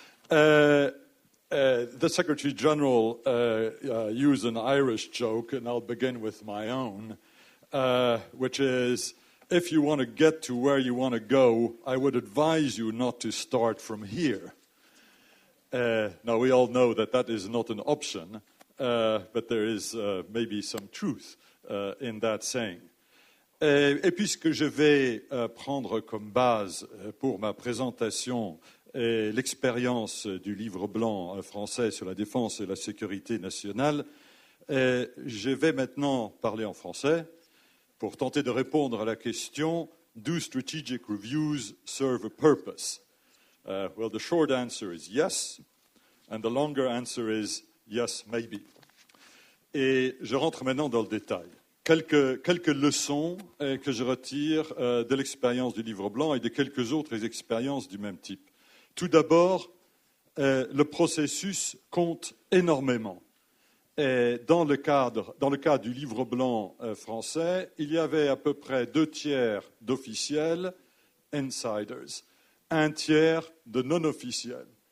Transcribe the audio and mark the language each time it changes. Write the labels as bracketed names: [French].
[English] The Secretary General used an Irish joke, and I'll begin with my own, which is, if you want to get to where you want to go, I would advise you not to start from here. Now, we all know that that is not an option, but there is maybe some truth in that saying. [French] Et puisque je vais prendre comme base pour ma présentation l'expérience du livre blanc français sur la défense et la sécurité nationale, je vais maintenant parler en français pour tenter de répondre à la question « [English] Do strategic reviews serve a purpose ?» Well, the short answer is yes, and the longer answer is yes, maybe. [French] Et je rentre maintenant dans le détail. Quelques leçons que je retire de l'expérience du livre blanc et de quelques autres expériences du même type. Tout d'abord, le processus compte énormément. Et dans le cadre du livre blanc français, il y avait à peu près 2/3 d'officiels, insiders, 1/3 de non-officiels.